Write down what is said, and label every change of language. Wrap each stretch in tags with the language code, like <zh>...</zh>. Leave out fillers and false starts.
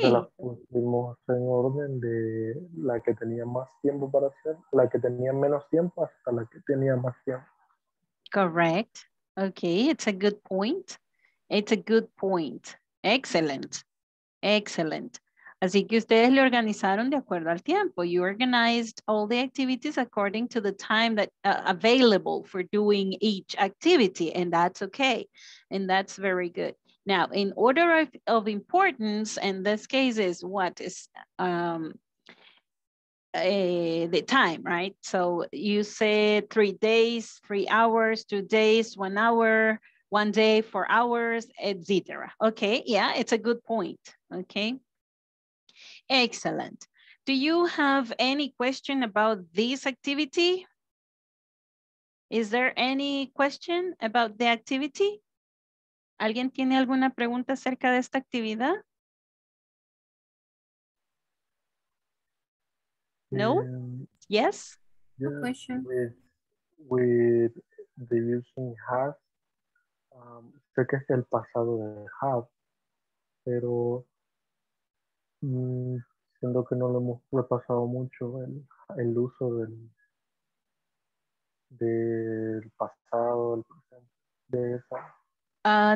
<es>Y las pusimos en orden de la que tenía más tiempo para hacer, la que tenía menos tiempo hasta la que tenía más tiempo.</es> <en>Correct. Okay, it's a good point. It's a good point. Excellent. Excellent.</en> <es>Así que ustedes le organizaron de acuerdo al tiempo.</es> <en>You organized all the activities according to the time that available for doing each activity, and that's okay. And that's very good. Now, in order of importance, in this case is what is the time, right? So you said 3 days, 3 hours, 2 days, 1 hour, 1 day, 4 hours, etc. Okay, yeah, it's a good point. Okay, excellent. Do you have any question about this activity? Is there any question about the activity?</en> <es>¿Alguien tiene alguna pregunta acerca de esta actividad?</es> <en>No? Yes? No question. With the using have,</en> <es>sé que es el pasado de have, pero siendo que no lo hemos repasado mucho el uso del pasado, el presente, de esa.</es>